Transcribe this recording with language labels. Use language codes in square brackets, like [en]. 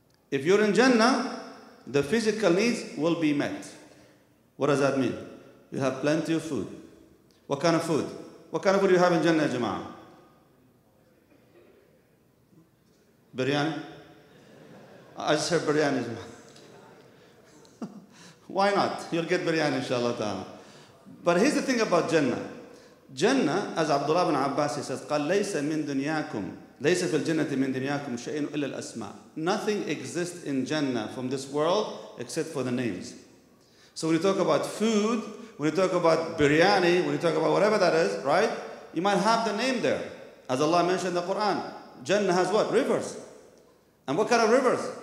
[en] If you're in Jannah, the physical needs will be met. What does that mean? You have plenty of food. What kind of food? What kind of food do you have in Jannah, Jama'ah? Biryani? I just heard biryani, Jama'ah. Why not? You'll get biryani, inshallah ta'ala. But here's the thing about Jannah. Jannah, as Abdullah ibn Abbas, he says, [ar] قَلْ لَيْسَ مِن دُنْيَاكُمْ لَيْسَ فِي الْجَنَّةِ مِن دُنْيَاكُمْ شَيْءٍ إِلَّا الْأَسْمَاءِ. [en] Nothing exists in Jannah from this world except for the names. So when you talk about food, when you talk about biryani, when you talk about whatever that is, right? You might have the name there. As Allah mentioned in the Quran, Jannah has what? Rivers. And what kind of rivers?